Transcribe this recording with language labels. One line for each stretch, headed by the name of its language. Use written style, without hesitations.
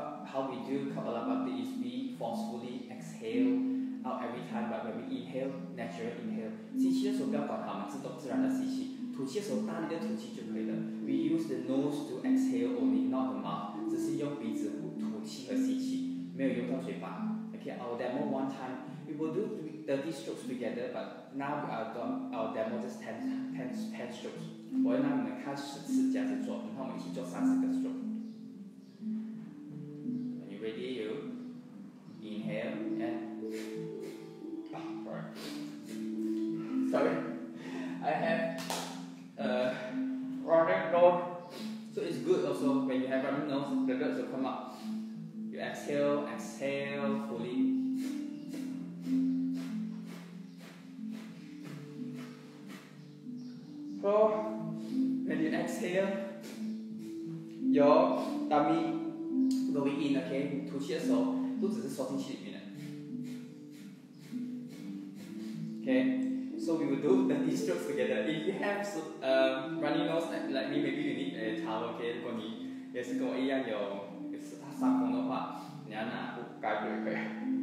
English: How we do Kapalabhati is we forcefully exhale out every time, but when we inhale, natural inhale.
Chinese: 吸气的时候不要管它嘛，自动自然的吸气。吐气的时候大力的吐气就可以了。
English: We use the nose to exhale only, not the mouth.
Chinese: 只是用鼻子吐气和吸气，没有用到嘴巴。
English: Okay, I'll demo one time. We will do 30 strokes together, but now I'll demo just 10 strokes.
Chinese: 我要让你们看10次这样子做，然后我们一起做30个 strokes.
English: When you ready, you inhale and. Sorry, I have running nose. So it's good also when you have running nose, the guts will come up. You exhale fully. So when you exhale, your tummy going in, okay?
Chinese: 吐气的时候，肚子是缩进去里面的。
English: Okay, so we will do 30 strokes together. If you have runny nose like me, maybe you need a towel, okay?
Chinese: 如果你也是跟我一样有伤风的话，你要拿盖住一块。